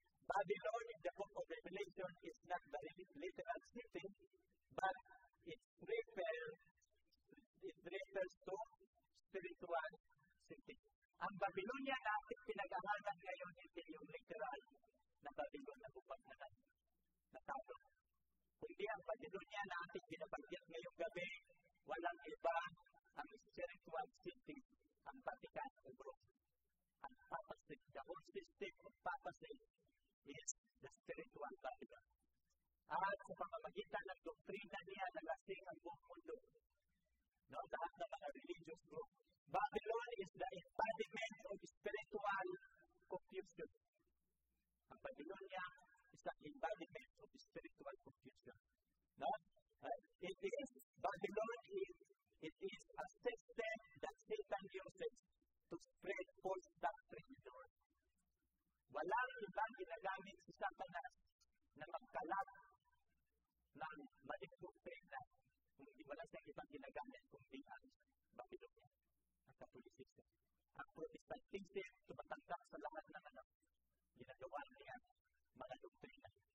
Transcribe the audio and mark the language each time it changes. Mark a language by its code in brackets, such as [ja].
[en] Babylon in the book of Revelation is not the literal city, but it refers to spiritual city. [tl] Ang Babylonia natin pinag-aaralan ngayon, ito yung literal na Babylon na bubuksan. Natapos. Kundi ang Babylonia na ating kinabanggit ngayong gabi, walang iba ang [en] spiritual city, [tl] ang Vatican of Rome. [en] Ang papacy, the whole system of papacy is the spiritual Babylon. [tl] At sa pamamagitan ng doktrina niya, nalasing ang buong mundo. No, lahat ng mga religious group. [en] Babylon is the embodiment of spiritual confusion. Ang Babylonia is the embodiment of spiritual confusion. No? It is, Babylon is, it is a system that Satan uses to spread false doctrine in the world. [tl] Walang ibang ginagamit si Satanas na magkalat ng maliktong prenda kung hindi wala siyang ibang ginagamit kung hindi ang Babylon. Catholic system. Ang Protestant system, tumatanggap sa lahat ng ano, ginagawa niya, mga doktrina.